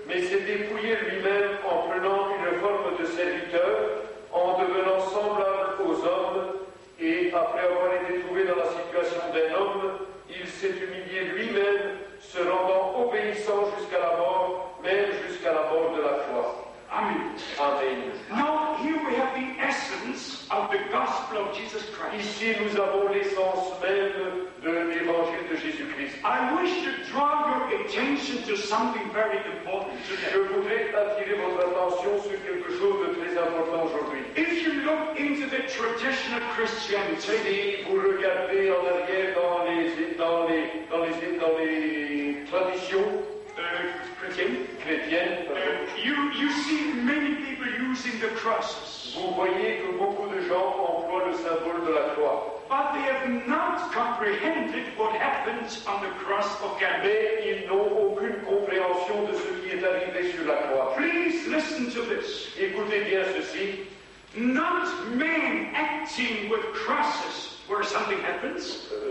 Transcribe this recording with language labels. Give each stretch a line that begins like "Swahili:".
French: Mais s'est dépouillé lui-même en prenant une forme de serviteur, en devenant semblable aux hommes, et après avoir été trouvé dans la situation d'un homme, il s'est humilié lui-même, se rendant obéissant jusqu'à la mort, même jusqu'à la mort de la croix. Amen. Amen.
English: Now here we have the essence of the gospel of Jesus Christ.
French: Ici nous avons l'essence même de l'évangile de Jésus-Christ.
English: I wish to draw your attention to something very important today.
French: Je voudrais attirer votre attention sur quelque chose de très important aujourd'hui.
English: If you look into the tradition of Christianity,
French: si vous regardez en arrière dans les traditions.
English: You see many people using the crosses.
French: Vous voyez que beaucoup de gens emploient le symbole de la croix.
English: But they have not comprehended what happens on the cross of Calvary.
French: Mais ils n'ont aucune compréhension de ce qui est arrivé sur la croix.
English: Please listen to this.
French: Écoutez bien ceci.
English: Not men acting with crosses where something happens.